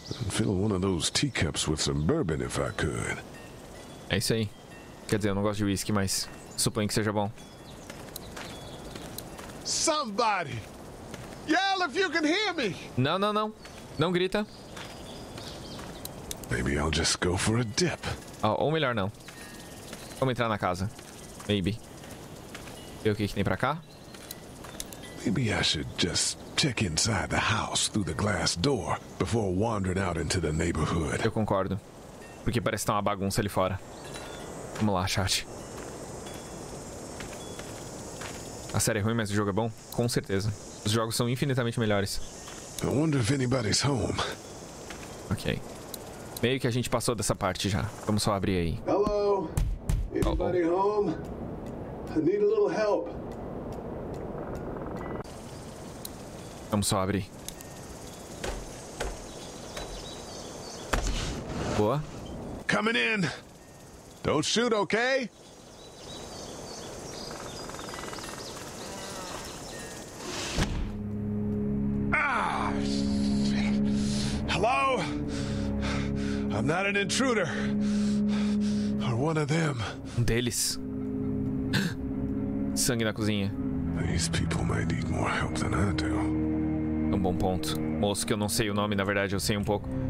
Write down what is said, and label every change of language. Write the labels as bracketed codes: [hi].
[en] Fill one of those teacups with some bourbon if I could. [pt] É isso aí. Quer dizer, eu não gosto de whisky, mas suponho que seja bom. [en] Somebody! Yell if you can hear me! [pt] Não, não, não. Não grita. [en] Maybe I'll just go for a dip. [pt] Oh, ou melhor, não. Vamos entrar na casa. Maybe. Ver o que tem pra cá. [en] Maybe I should just check inside the house through the glass door before wandering out into the neighborhood. [pt] Eu concordo. Porque parece que tá uma bagunça ali fora. Vamos lá, chat. A série é ruim, mas o jogo é bom? Com certeza. Os jogos são infinitamente melhores. [en] I wonder if anybody's home. Ok. [pt] Meio que a gente passou dessa parte já. Vamos só abrir aí. [en] Hello? Anybody home? I need a little help. [pt] Vamos só abrir. Boa. [en] Coming in. Don't shoot, okay? Ah, shit. Hello? I'm not an intruder. Or one of them. [pt] Um deles. Sangue na cozinha. [en] These people might need more help than I do. [pt] Um bom ponto. Moço, que eu não sei o nome, na verdade, eu sei um pouco.